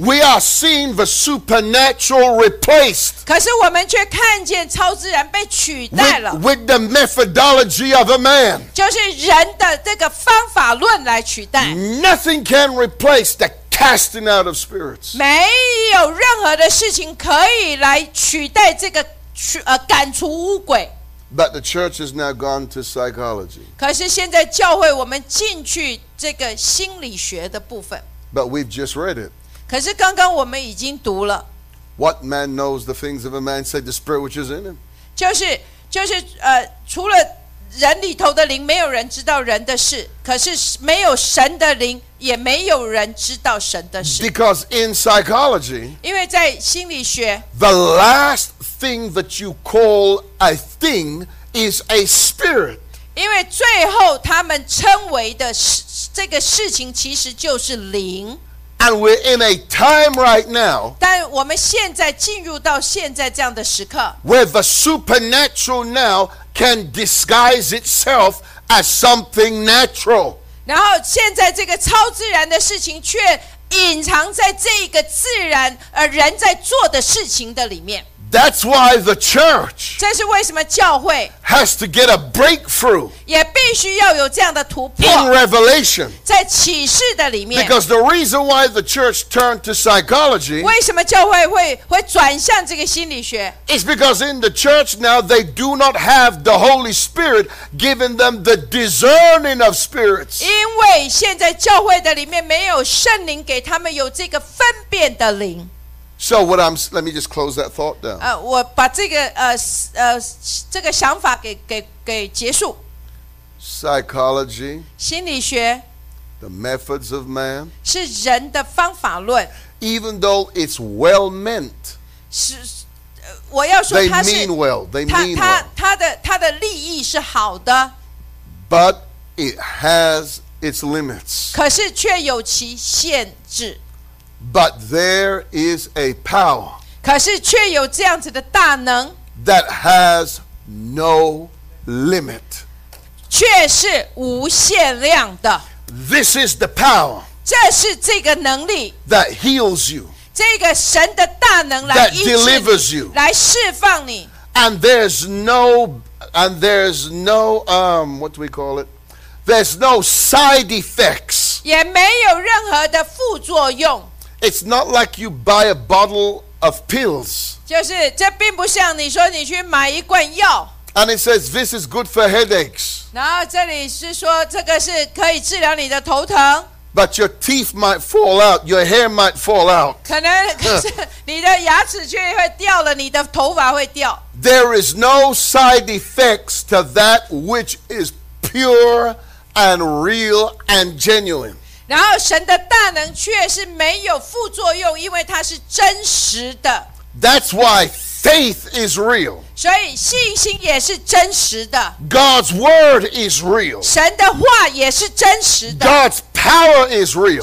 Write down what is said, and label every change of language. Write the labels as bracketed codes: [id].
[en] we are seeing the supernatural replaced. [zh] 可是我们却看见超自然被取代了 [en] with the methodology of a man. [zh] 就是人的这个方法论来取代 [en] Nothing can replace the casting out of spirits. [zh] 没有任何的事情可以来取代这个赶出污鬼。 [en] But the church has now gone to psychology. [zh] 可是现在教会我们进去这个心理学的部分。 [en] But we've just read it. [zh] 可是刚刚我们已经读了。 [en] What man knows the things of a man save the spirit which is in him? [zh] 就是除了人里头的灵，没有人知道人的事。可是没有神的灵，也没有人知道神的事。 [en] Because in psychology, [zh] 因为在心理学 [en] the last thing that you call a thing is a spirit. [zh] 因为最后他们称为的这个事情其实就是灵。 [en] And we're in a time right now. [zh] 但我们现在进入到现在这样的时刻 [en] where the supernatural now can disguise itself as something natural. [zh] 然后现在这个超自然的事情却隐藏在这个自然人在做的事情的里面。 [en] That's why the church [zh] 这是为什么教会 [en] has to get a breakthrough [zh] 也必须要有这样的突破 [en] in revelation [zh] 在启示的里面。 [en] Because the reason why the church turned to psychology [zh] 为什么教会 会转向这个心理学 [en] is because in the church now they do not have the Holy Spirit giving them the discerning of spirits [zh] 因为现在教会的里面没有圣灵给他们有这个分辨的灵。 [en] So what I'm, let me just close that thought down. [zh] 我把这个这个想法给结束。 [en] Psychology. [zh] 心理学。 [en] The methods of man. [zh] 是人的方法论。 [en] Even though it's well meant. [zh] 是，我要说它是。 [en] They mean well. They mean well. [zh] 它的利益是好的。 [en] But it has its limits. [zh] 可是却有其限制。 [en] But there is a power. [zh] 可是却有这样子的大能。 [en] That has no limit. [zh] 却是无限量的。 [en] This is the power. [zh] 这是这个能力。 [en] That heals you. [zh] 这个神的大能来医治你。 [en] That delivers you. [zh] 来释放你。 [en] And there's no, and there's no, what do we call it? There's no side effects. [zh] 也没有任何的副作用。 [en] It's not like you buy a bottle of pills. [zh] 就是这并不像你说你去买一罐药。 [en] And it says this is good for headaches. [zh] 然后这里是说这个是可以治疗你的头疼。 [en] But your teeth might fall out, your hair might fall out. [zh] 可能可是你的牙齿却会掉了，你的头发会掉。 [en] There is no side effects to that which is pure and real and genuine. [zh] 然后神的大能却是没有副作用，因为它是真实的。 [en] That's why faith is real. [zh] 所以信心也是真实的。 [en] God's word is real. [zh] 神的话也是真实的。 [en] God's power is real.